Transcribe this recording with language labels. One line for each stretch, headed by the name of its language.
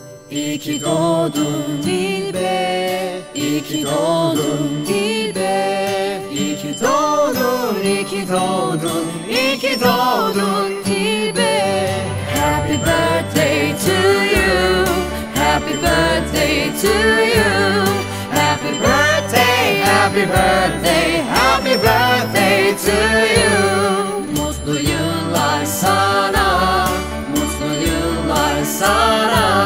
Turkish: İyi ki doğdun Dilbe, İyi ki doğdun Dilbe, İyi ki doğdun, İyi ki doğdun, İyi ki doğdun Dilbe.
English: Happy birthday to you, happy birthday to you, happy birthday, happy birthday, happy birthday to you.
Turkish: Mutlu yıllar sana, mutlu yıllar sana.